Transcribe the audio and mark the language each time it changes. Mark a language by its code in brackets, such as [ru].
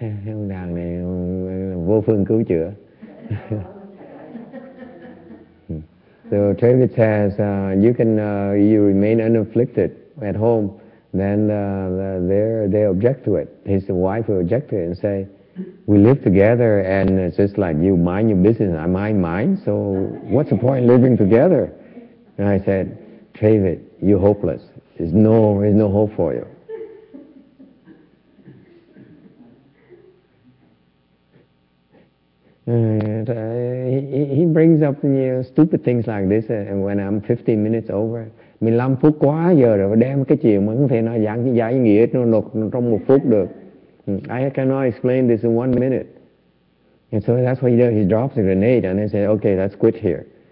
[vi] Ông đàn này vô phương cứu chữa. [en] So Travis says, you remain unafflicted at home, then they object to it. His wife will object to it and say, we live together and it's just like you mind your business, I mind mine, so what's the point living together? And I said, Travis, you're hopeless. There's no hope for you. And he brings up stupid things like this, and when I'm 15 minutes over, [vi] 15 phút quá giờ rồi, đem cái chuyện mà không thể nói giảng giải nghĩa nó nó trong một phút được. [en] I cannot explain this in 1 minute. And so that's what he does. He drops the grenade and then says, okay, let's quit here.